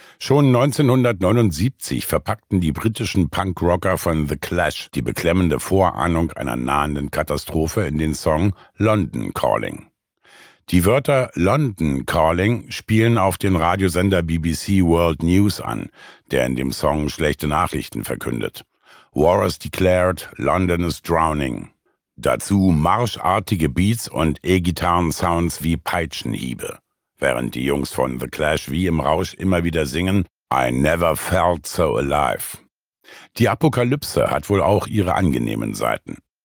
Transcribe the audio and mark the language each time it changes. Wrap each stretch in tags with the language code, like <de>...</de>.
<de>Schon 1979 verpackten die britischen Punkrocker von The Clash die beklemmende Vorahnung einer nahenden Katastrophe in den Song London Calling. Die Wörter London Calling spielen auf den Radiosender BBC World News an, der in dem Song schlechte Nachrichten verkündet.</de> <en>War is declared, London is drowning.</en> <de>Dazu marschartige Beats und E-Gitarren-Sounds wie Peitschenhiebe. Während die Jungs von The Clash wie im Rausch immer wieder singen,</de> <en>I never felt so alive.</en> <de>Die Apokalypse hat wohl auch ihre angenehmen Seiten.</de>